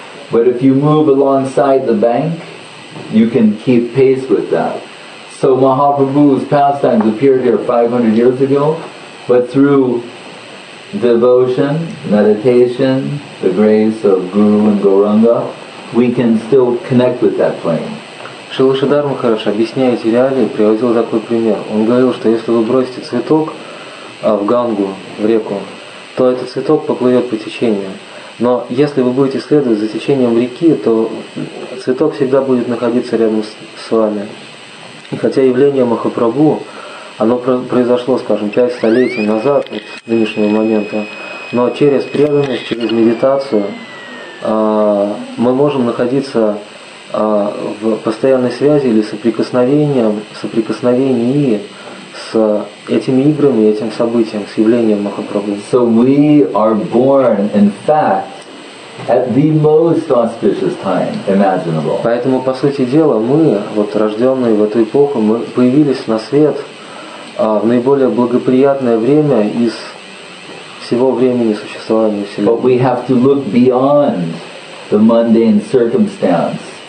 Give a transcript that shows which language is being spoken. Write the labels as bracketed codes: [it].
[en] But if you move alongside the bank, you can keep pace with that. So Mahaprabhu's pastimes appeared here 500 years ago, but through devotion, meditation, the grace of Guru and Gauranga, we can still connect with that plane. [ru] Шрила Шридхара хорошо объясняя эти реалии, приводил такой пример. Он говорил, что если вы бросите цветок в Гангу, в реку, то этот цветок поплывет по течению. Но если вы будете следовать за течением реки, то цветок всегда будет находиться рядом с вами. И хотя явление Махапрабху, оно произошло, скажем, 5 столетий назад, вот с нынешнего момента, но через преданность, через медитацию мы можем находиться в постоянной связи или соприкосновении с этими играми, этим событием, с явлением Махапрабху. [en] So we are born, in fact, at the most auspicious time imaginable. [ru] Поэтому, по сути дела, мы, вот рожденные в эту эпоху, мы появились на свет в наиболее благоприятное время из всего времени существования Вселенной. [en] But we have to look beyond the mundane circumstance.